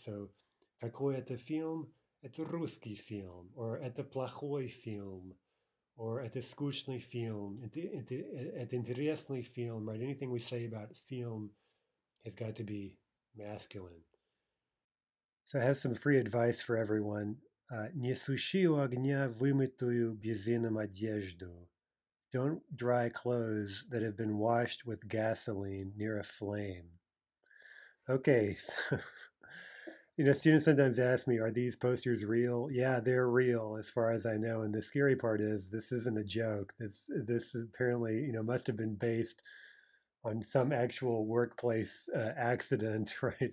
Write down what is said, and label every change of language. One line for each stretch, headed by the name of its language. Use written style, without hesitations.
Russian: So, какой это фильм? Это русский фильм. Or, это плохой фильм. Or, это скучный фильм. Это интересный фильм, right?
English: Anything we say about film has got to be masculine. So I have some free advice for everyone.
Russian: Не суши у огня вымытую бензином одежду.
English: Don't dry clothes that have been washed with gasoline near a flame. Okay. You know, students sometimes ask me, are these posters real? Yeah, they're real as far as I know. And the scary part is this isn't a joke. This apparently, you know, must have been based on some actual workplace accident, right?